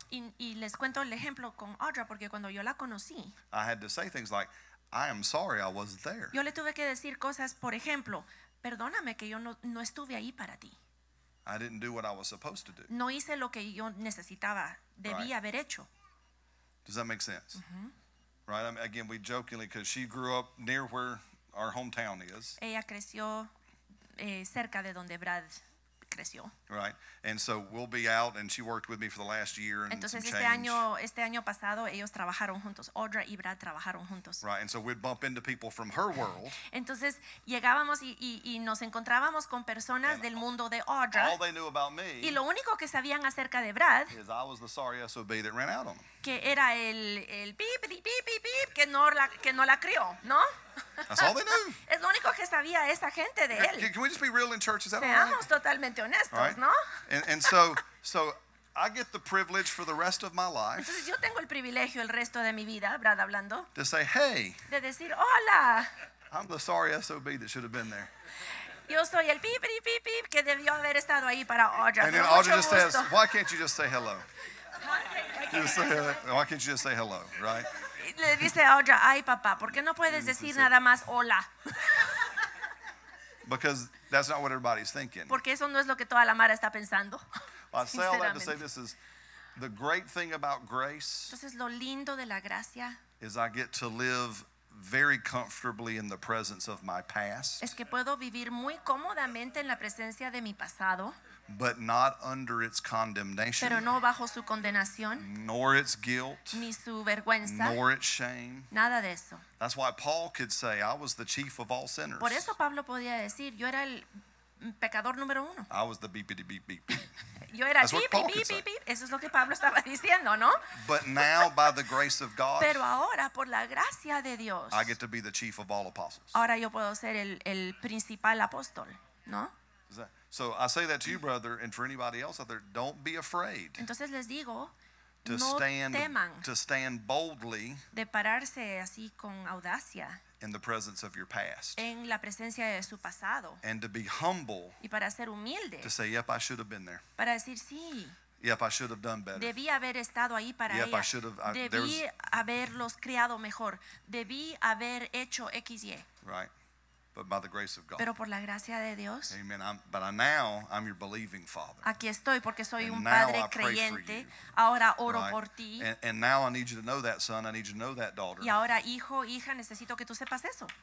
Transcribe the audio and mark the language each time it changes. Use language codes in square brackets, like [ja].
[es] Y les cuento el ejemplo con Audra porque cuando yo la conocí. [en] I had to say things like, "I am sorry, I wasn't there." [es] Yo le tuve que decir cosas, por ejemplo, "Perdóname que yo no estuve ahí para ti." [en] I didn't do what I was supposed to do. [es] No hice lo que yo necesitaba, debí [en] right. [es] haber hecho. [en] Does that make sense? Mm-hmm. Right. I mean, again, we jokingly, because she grew up near where our hometown is. [es] Ella creció cerca de donde Brad creció. [en] Right. And so we'll be out, and she worked with me for the last year and [es] entonces, [en] some change. [es] Este año pasado, ellos trabajaron juntos. Audra y Brad trabajaron juntos. [en] Right. And so we'd bump into people from her world. [es] Entonces llegábamos y nos encontrábamos con personas [en] and [es] del mundo de Audra. [en] All they knew about me. [es] Y lo único que sabían acerca de Brad. [en] Is I was the sorry SOB that ran out on them. [es] Que era el beep beep beep beep beep que no la crió, ¿no? [en] That's all they knew. [es] Es lo único que sabía esa gente de él. [en] Can we just be real in church? Is that [es] seamos [en] all right? [es] Totalmente honestos, [en] all right? [es] ¿No? [en] And so I get the privilege for the rest of my life. [es] Entonces yo tengo el privilegio el resto de mi vida, Brad hablando. [en] To say hey. [es] De decir hola. [en] I'm the sorry SOB that should have been there. [es] Yo soy el pip pip pip que debió haber estado ahí para Audra. [en] And then Audra just says, "Why can't you just say hello?" Why can't you just say hello, right? [es] Le dice a Audra, "Ay, papá, ¿por qué no puedes decir nada más hola?" [en] Because that's not what everybody's thinking. [es] Porque eso no es lo que toda la mara está pensando. [en] Well, I say all that to say this is the great thing about grace. [es] Entonces, lo lindo de la gracia [en] is I get to live very comfortably in the presence of my past. [es] Es que puedo vivir muy cómodamente en la presencia de mi pasado. [en] But not under its condemnation. [es] Pero no bajo su condenación. [en] Nor its guilt. [es] Ni su vergüenza. [en] Nor its shame. [es] Nada de eso. [en] That's why Paul could say, I was the chief of all sinners. [es] Por eso Pablo podía decir, yo era el pecador número uno. [en] I was the beepity beep beep. [es] Yo era beep beep beep beep. Eso es lo que Pablo estaba diciendo, ¿no? [en] But now, by the grace of God, [es] pero ahora, por la gracia de Dios, [en] I get to be the chief of all apostles. [es] Ahora yo puedo ser el principal apóstol, ¿no? [en] So I say that to you, brother, and for anybody else out there, don't be afraid. [es] Entonces les digo, [en] to [es] no [en] stand, [es] teman [en] to stand boldly [es] de pararse así con audacia [en] in the presence of your past. [es] En la presencia de su pasado. [en] And to be humble [es] y para ser humilde, [en] to say, yep, I should have been there. [es] Para decir, sí. [en] Yep, I should have done better. [es] Debí haber estado ahí para [en] yep, [es] ella. [en] I should have, [es] debí haberlos criado mejor. Debí haber hecho X, Y. [en] Right. But by the grace of God. [es] Pero por la gracia de Dios. [en] Amen. Now I'm your believing father. [es] Aquí estoy porque soy un padre creyente. Ahora oro por ti. [en] And now I need you to know that, son. I need you to know that, daughter. [es] Y ahora, hijo, hija, necesito que tú sepas eso.